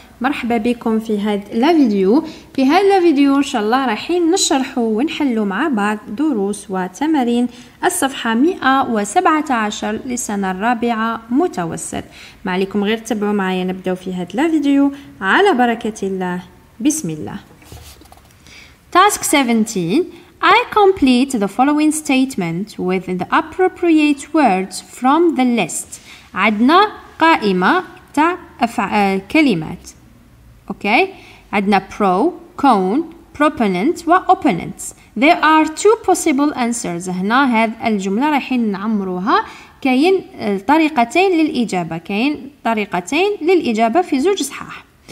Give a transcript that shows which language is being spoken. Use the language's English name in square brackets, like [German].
[Arabic] مرحبا بكم في هذا الفيديو. في هذا الفيديو إن شاء الله رايحين نشرح ونحل مع بعض دروس وتمارين الصفحة 117 للسنة الرابعة متوسط. ما عليكم غير تبعوا معايا، نبدأ في هذا الفيديو على بركة الله. بسم الله. [English] Task 17. I complete the following statement with the appropriate words from the list. [Arabic] عندنا قائمة تاع كلمات، أوكي؟ عندنا pro, con, proponent و opponents. [English] There are two possible answers. [Arabic] هنا هذه الجملة رايحين نعمروها، كاين طريقتين للإجابة، كاين طريقتين للإجابة في زوج صحاح.